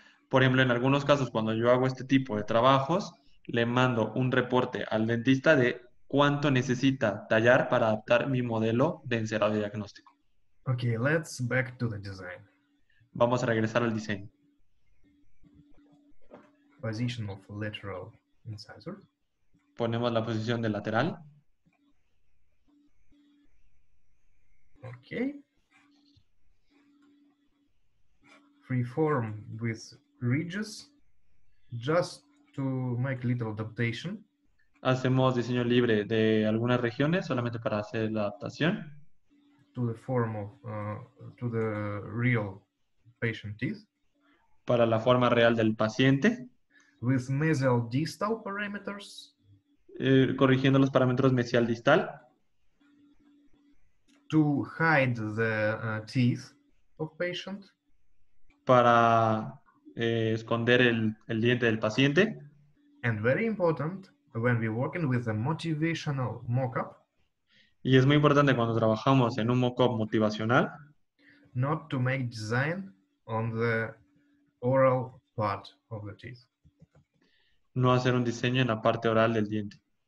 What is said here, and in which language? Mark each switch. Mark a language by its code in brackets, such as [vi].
[es] Por ejemplo, en algunos casos, cuando yo hago este tipo de trabajos, le mando un reporte al dentista de cuánto necesita tallar para adaptar mi modelo de encerado diagnóstico. [en] Okay, let's back to the design. [es] Vamos a regresar al diseño. [en] Position of lateral incisor. [es] Ponemos la posición de lateral. [en] Okay. Freeform with ridges, just to make little adaptation. [es] Hacemos diseño libre de algunas regiones solamente para hacer la adaptación. [en] To the form of to the real patient teeth. [es] Para la forma real del paciente. [en] With mesial distal parameters. [es] Corrigiendo los parámetros mesial distal. [en] To hide the teeth of patient. [es] Para esconder el diente del paciente. [en] And very important, when we're working with a motivational mock-up. [es] Y es muy importante cuando trabajamos en un mock-up motivacional. [en] Not to make design on the oral part of the teeth. [es] No hacer un diseño en la parte oral del diente.